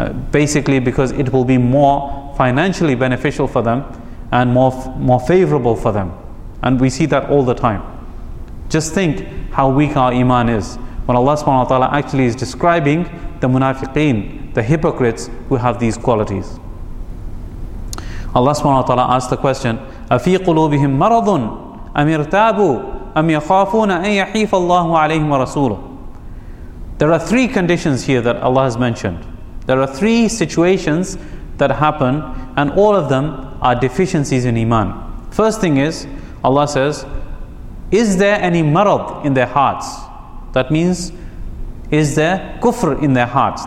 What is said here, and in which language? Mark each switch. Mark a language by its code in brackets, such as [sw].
[en] basically because it will be more financially beneficial for them and more favorable for them. And we see that all the time. Just think how weak our iman is when Allah subhanahu wa ta'ala actually is describing the munafiqeen, the hypocrites who have these qualities. [ar] Allah subhanahu wa ta'ala [en] asked the question, [ar] أَفِي قُلُوبِهِمْ مَرَضٌ أَمْ يَرْتَابُوا أَمْ يَخَافُونَ أَنْ يَحِيفَ اللَّهُ عَلَيْهِمْ وَرَسُولُهُ. [en] There are three conditions here that Allah has mentioned. There are three situations that happen, and all of them are deficiencies in iman. First thing is, Allah says, is there any marad in their hearts? That means, is there kufr in their hearts?